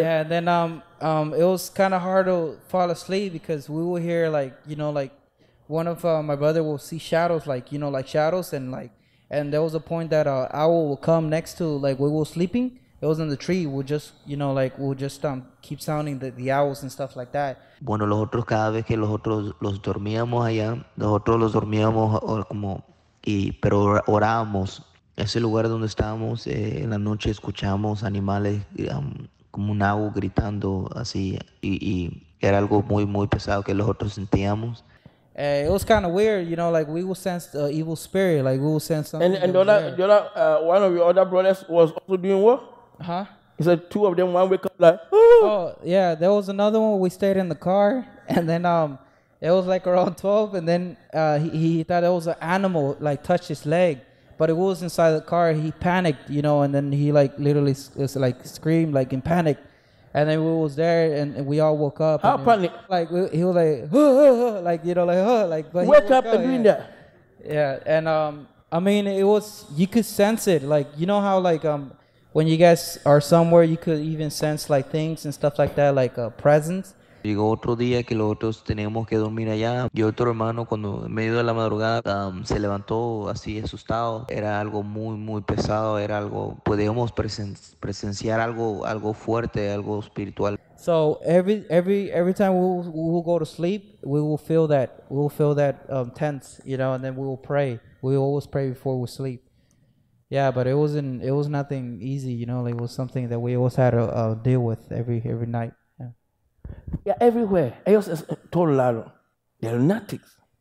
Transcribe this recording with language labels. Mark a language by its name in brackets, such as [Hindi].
[English] Yeah, and then it was kind of hard to fall asleep because we would hear, like, you know, like one of my brother will see shadows, like, you know, like shadows, and like, and there was a point that an owl would come next to, like, we were sleeping. It was in the tree. We'll just, you know, like, we'll just keep sounding the owls and stuff like that. [Spanish] Bueno, los otros cada vez que los otros los dormíamos allá, nosotros los dormíamos como y pero orábamos. Ese lugar donde estábamos en la noche escuchábamos animales como un owl gritando así y era algo muy muy pesado que los otros sentíamos. [English] It was kind of weird, you know, like we will sense the evil spirit, like we will sense something. And the other one of your other brothers was also doing what? Huh? He said two of them, one wake up like, oh, yeah, there was another one. We stayed in the car, and then it was like around 12, and then he thought it was an animal, like, touched his leg, but it was inside the car. He panicked, you know, and then he, like, literally was, like, screamed, like, in panic. And then we was there, and we all woke up. How funny. Like, he was like, like, you know, like, like. But wake up and doing that. Yeah, and, I mean, it was, you could sense it. Like, you know how, like, when you guys are somewhere, you could even sense, like, things and stuff like that, like a presence. [Spanish] Llegó otro día que los otros teníamos que dormir allá. Y otro hermano, cuando en medio de la madrugada, se levantó así asustado. Era algo muy, muy pesado. Era algo, podíamos presenciar algo fuerte, algo espiritual. [English] So every time we will go to sleep, we will feel that. We will feel that tense, you know, and then we will pray. We will always pray before we sleep. Yeah, but it was nothing easy, you know. Like, it was something that we always had to deal with every night. Yeah, everywhere. Ellos told Lalo, they are lunatics.